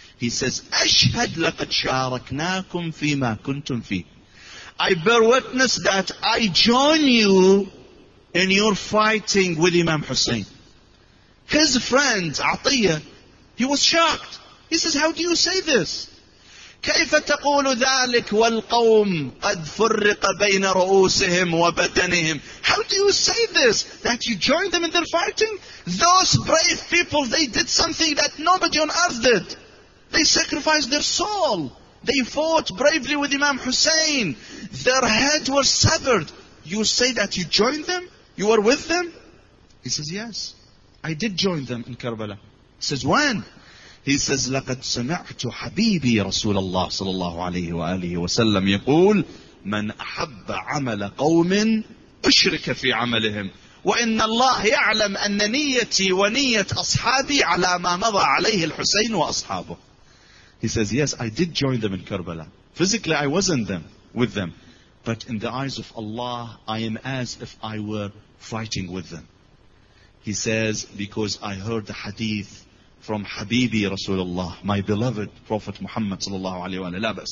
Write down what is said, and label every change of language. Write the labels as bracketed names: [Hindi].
[English] He says, [Arabic] Ashhad laqad sharaknakum fima kuntum fi. [English] I bear witness that I join you in your fighting with Imam Hussein. His friend, Atiyah, he was shocked. He says, how do you say this? [Arabic] كيف تقول ذلك والقوم قد فرق بين رؤوسهم وبدنهم. [English] How do you say this? That you joined them in their fighting? Those brave people, they did something that nobody on earth did. They sacrificed their soul. They fought bravely with Imam Hussein. Their heads were severed. You say that you joined them? You were with them? He says, yes. I did join them in Karbala. He says, when? He says, [Arabic] لقد سمعت حبيبي رسول الله صلى الله عليه وآله وسلم يقول من أحب عمل قوم أشرك في عملهم وإن الله يعلم أن نيتي ونية أصحابي على ما مضى عليه الحسين وأصحابه. [English] He says, yes, I did join them in Karbala. Physically, I wasn't them with them. But in the eyes of Allah, I am as if I were fighting with them. He says, because I heard the hadith from Habibi Rasulullah, my beloved Prophet Muhammad sallallahu alayhi wa sallam.